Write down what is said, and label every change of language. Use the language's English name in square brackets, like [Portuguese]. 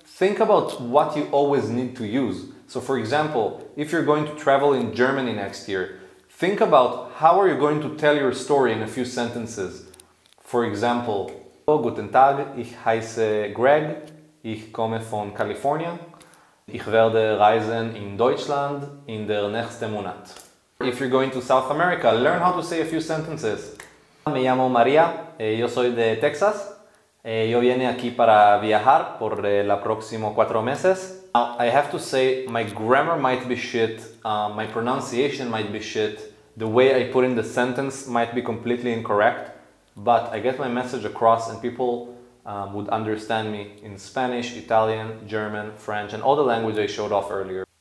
[English] Think about what you always need to use. So for example, if you're going to travel in Germany next year, think about how are you going to tell your story in a few sentences. For example, oh, guten Tag, ich heiße Greg, [German] Ich komme von Kalifornien. Ich werde reisen in Deutschland in der nächsten Monat. [English] If you're going to South America, learn how to say a few sentences. [Spanish] Me llamo María, yo soy de Texas. Yo vine aquí para viajar por la próximo 4 meses. [English] I have to say, my grammar might be shit, my pronunciation might be shit, the way I put in the sentence might be completely incorrect, but I get my message across and people would understand me in Spanish, Italian, German, French, and all the languages I showed off earlier.